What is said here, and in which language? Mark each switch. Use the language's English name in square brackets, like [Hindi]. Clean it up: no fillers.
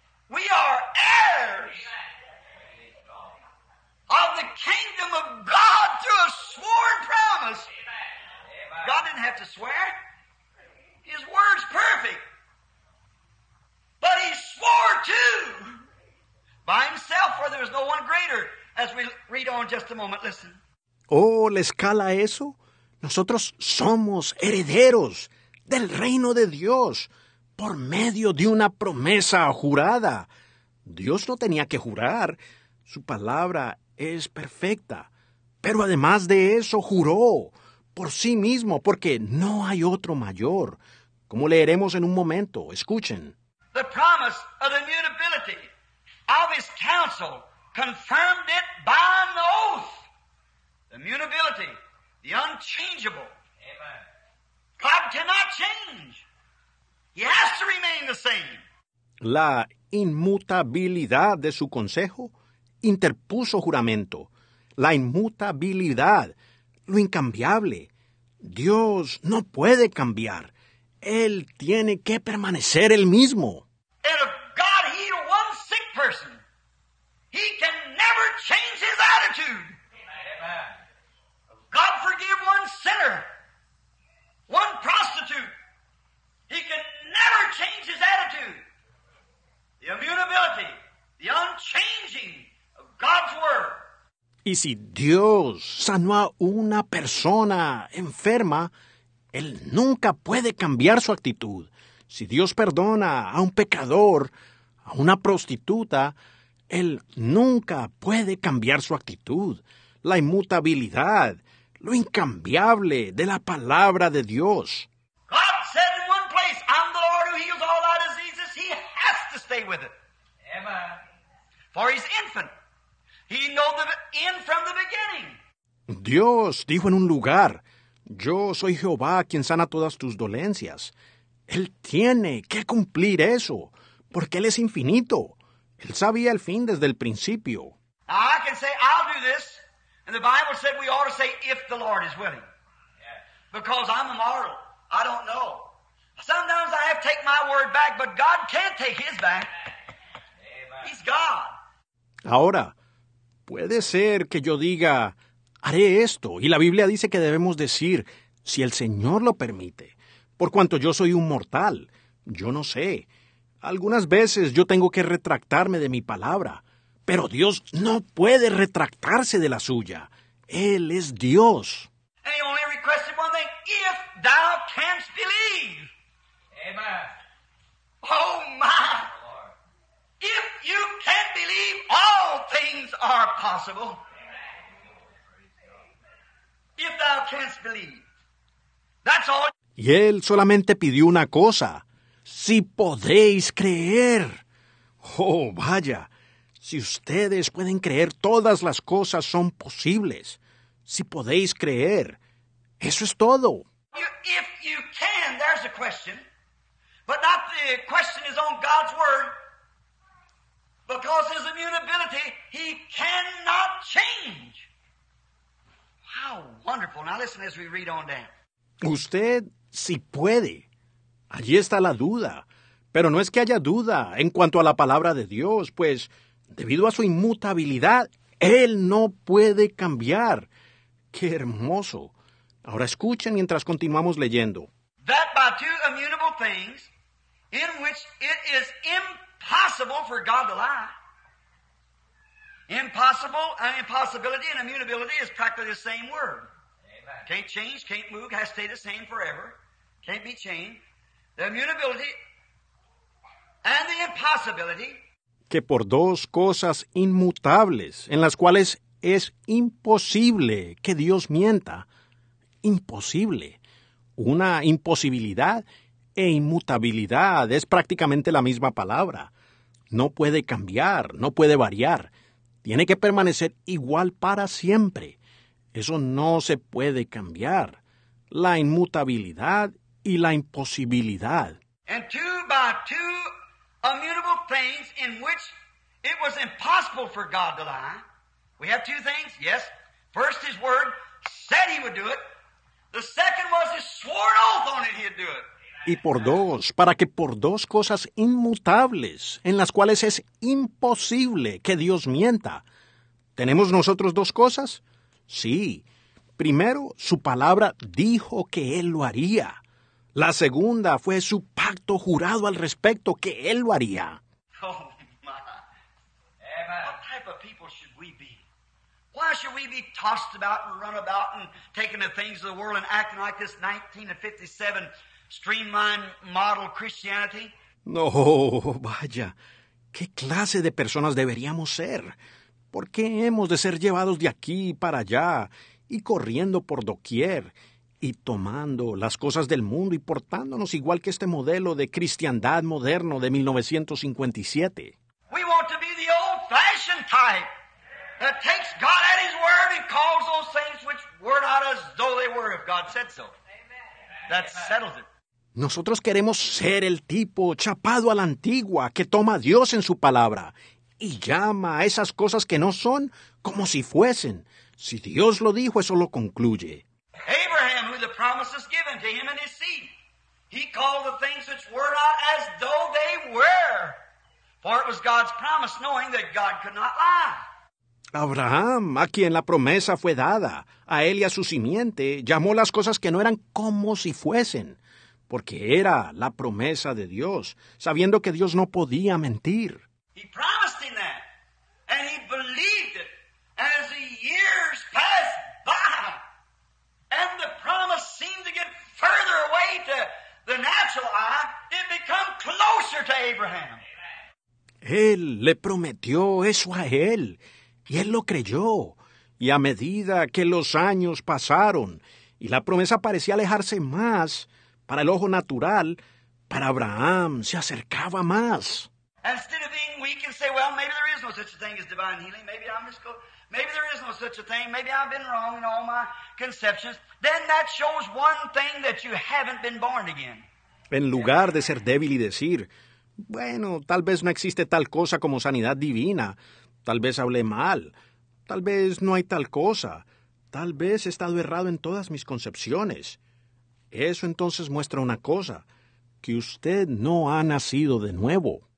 [English] We are heirs of the kingdom of God through a sworn promise. God didn't have to swear. His word's perfect. But he swore too, by himself, for there is no one greater, as we read on just a moment. Listen. [Spanish] Oh, ¿les cala eso? Nosotros somos herederos del reino de Dios por medio de una promesa jurada. Dios no tenía que jurar. Su palabra es perfecta. Pero además de eso, juró por sí mismo, porque no hay otro mayor. Como leeremos en un momento, escuchen. [English] The promise of immutability of his counsel confirmed it by an oath. The immutability, the unchangeable. Amen. God cannot change. He has to remain the same. [Spanish] La inmutabilidad de su consejo interpuso juramento. La inmutabilidad, lo incambiable. Dios no puede cambiar. Él tiene que permanecer el mismo. [English] And if God healed one sick person, he can never change his attitude. God forgive one sinner, one prostitute. He can never change his attitude. The immutability, the unchanging of God's word. [Spanish] Y si Dios sanó a una persona enferma, Él nunca puede cambiar su actitud. Si Dios perdona a un pecador, a una prostituta, Él nunca puede cambiar su actitud. La inmutabilidad, lo incambiable de la palabra de Dios. [English] God said in one place, I'm the Lord who heals all our diseases. He has to stay with it. Amen. For he's infant. He knows the end from the beginning. [Spanish] Dios dijo en un lugar, yo soy Jehová quien sana todas tus dolencias. Él tiene que cumplir eso, porque Él es infinito. Él sabía el fin desde el principio. [English] I can say, I'll do this. And the Bible said we ought to say, if the Lord is willing. Yes. Because I'm a mortal. I don't know. Sometimes I have to take my word back, but God can't take his back. Amen. He's God. [Spanish] Ahora, puede ser que yo diga, haré esto. Y la Biblia dice que debemos decir, si el Señor lo permite. Por cuanto yo soy un mortal, yo no sé. Algunas veces yo tengo que retractarme de mi palabra. Pero Dios no puede retractarse de la suya. Él es Dios. [English] And he only requested one thing, if thou canst believe. Amen. Oh my. Lord. If you can believe, all things are possible. Amen. If thou canst believe. That's all. [Spanish] Y él solamente pidió una cosa. Si podéis creer. Oh, vaya. Si ustedes pueden creer, todas las cosas son posibles. Si podéis creer, eso es todo. [English] If you can, there's a question. But not the question is on God's word. Because his immutability, he cannot change. How wonderful. Now listen as we read on down. [Spanish] Usted, si puede. Allí está la duda. Pero no es que haya duda en cuanto a la palabra de Dios, pues debido a su inmutabilidad, Él no puede cambiar. ¡Qué hermoso! Ahora escuchen mientras continuamos leyendo. [English] That by two immutable things, in which it is impossible for God to lie. Impossible, and impossibility and immutability is practically the same word. Amen. Can't change, can't move, has to stay the same forever. Can't be changed. The immutability and the impossibility, [Spanish] que por dos cosas inmutables, en las cuales es imposible que Dios mienta. Imposible. Una imposibilidad e inmutabilidad es prácticamente la misma palabra. No puede cambiar, no puede variar. Tiene que permanecer igual para siempre. Eso no se puede cambiar. La inmutabilidad y la imposibilidad. [English] And two by two immutable things in which it was impossible for God to lie. We have two things, yes. First, his word said he would do it. The second was his sworn oath on it he'd do it. [Spanish] Y por dos, para que por dos cosas inmutables, en las cuales es imposible que Dios mienta. ¿Tenemos nosotros dos cosas? Sí. Primero, su palabra dijo que él lo haría. La segunda fue su pacto jurado al respecto que él lo haría. [English] Oh, my. What type of people should we be? Why should we be tossed about and run about and taking the things of the world and acting like this 1957 streamlined model Christianity? [Spanish] No, vaya. ¿Qué clase de personas deberíamos ser? ¿Por qué hemos de ser llevados de aquí para allá y corriendo por doquier y tomando las cosas del mundo y portándonos igual que este modelo de cristiandad moderno de 1957? [English] We want to be the old-fashioned type that takes God at His word and calls those things which were not as though they were if God said so. That settles it. [Spanish] Nosotros queremos ser el tipo chapado a la antigua que toma a Dios en su palabra y llama a esas cosas que no son como si fuesen. Si Dios lo dijo, eso lo concluye. [English] Abraham, who the promise is given to him and his seed, he called the things which were not as though they were, for it was God's promise, knowing that God could not lie. [Spanish] Abraham, a quien la promesa fue dada, a él y a su simiente, llamó las cosas que no eran como si fuesen. Porque era la promesa de Dios, sabiendo que Dios no podía mentir. [English] He promised him that, and he believed it as the years passed by, and the promise seemed to get further away to the natural eye, it became closer to Abraham. [Spanish] Él le prometió eso a él, y él lo creyó, y a medida que los años pasaron, y la promesa parecía alejarse más, para el ojo natural, para Abraham se acercaba más. [English] Instead of being weak and say, well, maybe there is no such a thing as divine healing. Maybe I'm just maybe there is no such a thing. Maybe I've been wrong in all my conceptions. Then that shows one thing, that you haven't been born again. [Spanish] En lugar de ser débil y decir, bueno, tal vez no existe tal cosa como sanidad divina. Tal vez hablé mal. Tal vez no hay tal cosa. Tal vez he estado errado en todas mis concepciones. Eso entonces muestra una cosa, que usted no ha nacido de nuevo.